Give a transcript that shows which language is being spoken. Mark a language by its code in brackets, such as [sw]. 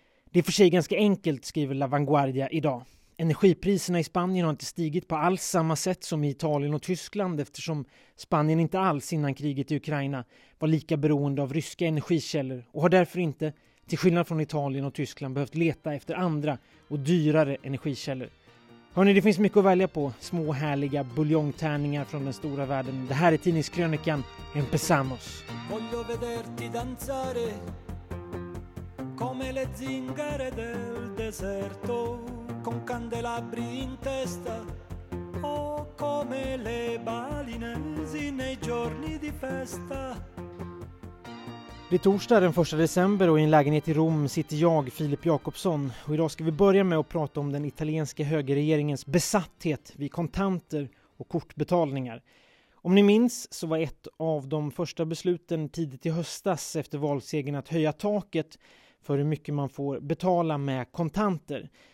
[sv] Det är för sig ganska enkelt, skriver La Vanguardia idag. Energipriserna i Spanien har inte stigit på alls samma sätt som i Italien och Tyskland eftersom Spanien inte alls innan kriget i Ukraina var lika beroende av ryska energikällor och har därför inte, till skillnad från Italien och Tyskland, behövt leta efter andra och dyrare energikällor. Hörrni, det finns mycket att välja på. Små härliga buljongtärningar från den stora världen. Det här är tidningskrönikan. [es] Empezamos! [it] Voglio vederti danzare come le zingare del deserto, con candelabri in testa o come le balinesi nei giorni di festa. [sv] Det är torsdag den 1 december och i en lägenhet i Rom sitter jag, Filip Jakobsson. Och idag ska vi börja med att prata om den italienska högerregeringens besatthet vid kontanter och kortbetalningar. Om ni minns så var ett av de första besluten tidigt i höstas efter valsegern att höja taket för hur mycket man får betala med kontanter.